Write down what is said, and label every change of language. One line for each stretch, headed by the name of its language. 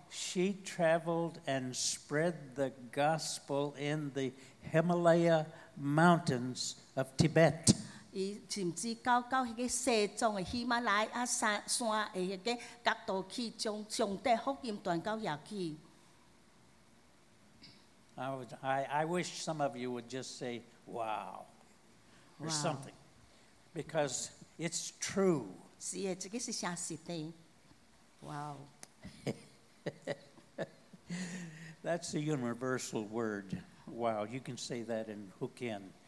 English: She traveled and spread the gospel in the Himalaya mountains of Tibet.
Min Nan Chinese: 伊甚至到迄个西藏的喜马拉雅山的迄个角度去，将上帝福音传到遐去。
English: I wish some of you would just say, wow, or wow. Something. Because it's true.
Min Nan Chinese: 是的，这个是真实的。Wow.
English: That's a universal word. Wow. You can say that in Hokkien.